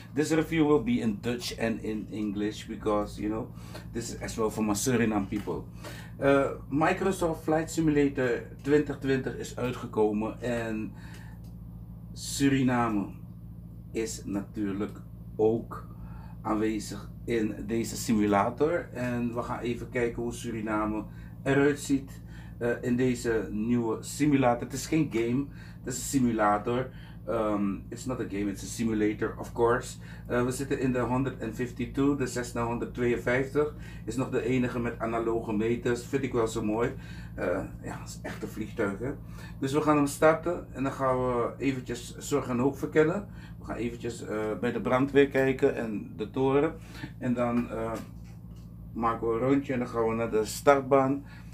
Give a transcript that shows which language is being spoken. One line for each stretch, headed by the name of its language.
English: This review will be in Dutch and in English because, you know, this is as well for my Suriname people.
Dutch: Microsoft Flight Simulator 2020 is uitgekomen en Suriname is natuurlijk ook aanwezig in deze simulator. En we gaan even kijken hoe Suriname eruit ziet. In deze nieuwe simulator. Het is geen game, het is een simulator.
English: It's not a game, it's a simulator, of course.
Dutch: We zitten in de 152, de Cessna 152. Is nog de enige met analoge meters. Vind ik wel zo mooi. Ja, het is echt een vliegtuig, hè. Dus we gaan hem starten en dan gaan we eventjes zorg en hoop verkennen. We gaan eventjes bij de brandweer kijken en de toren. En dan maken we een rondje en dan gaan we naar de startbaan.